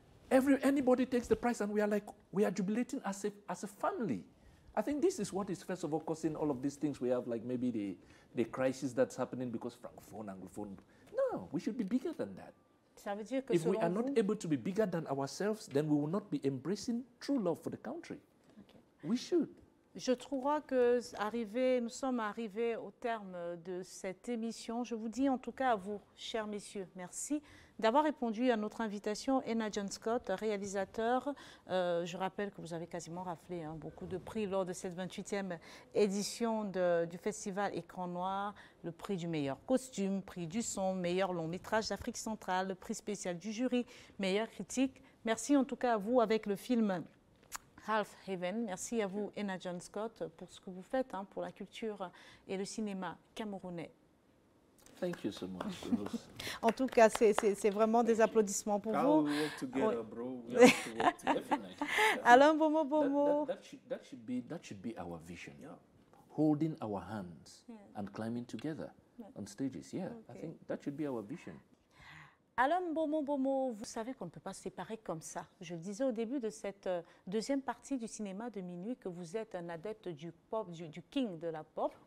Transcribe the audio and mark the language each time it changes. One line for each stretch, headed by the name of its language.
English: Anybody takes the prize, and we are jubilating as a family. I think this is what is first of all causing all of these things. We have like maybe the crisis that's happening because Francophone, Anglophone. No, we should be bigger than that.
French: Ça veut dire que
English: if we are
French: vous...
English: not able to be bigger than ourselves, then we will not be embracing true love for the country. Okay. We should.
French: Je trouverai que nous sommes arrivés au terme de cette émission. Je vous dis en tout cas à vous, chers messieurs, merci d'avoir répondu à notre invitation. Enna John Scott, réalisateur, je rappelle que vous avez quasiment raflé beaucoup de prix lors de cette 28e édition du festival Écran Noir, le prix du meilleur costume, prix du son, meilleur long métrage d'Afrique centrale, le prix spécial du jury, meilleure critique. Merci en tout cas à vous avec le film Half Heaven. Merci à vous, Enna John Scott, pour ce que vous faites pour la culture et le cinéma camerounais.
English: Thank you so much.
French: En tout cas, c'est vraiment des applaudissements pour vous.
English: We work together, bro. We have to work together.
French: Alain Bomo Bomo.
English: That should be our vision. Yeah. Holding our hands and climbing together on stages. Yeah, okay. I think that should be our vision.
French: Alain Bomo Bomo, vous savez qu'on ne peut pas se séparer comme ça. Je le disais au début de cette deuxième partie du cinéma de minuit que vous êtes un adepte du pop, du king de la pop.